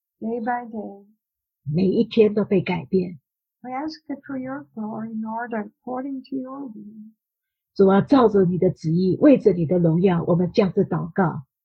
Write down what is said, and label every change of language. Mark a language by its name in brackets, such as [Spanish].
[English] Day by day. [Chinese] 每一天都被改变。 [English] We ask it for your glory, Lord, according to your will. [Chinese] 主啊，照着你的旨意，为着你的荣耀，我们这样子祷告。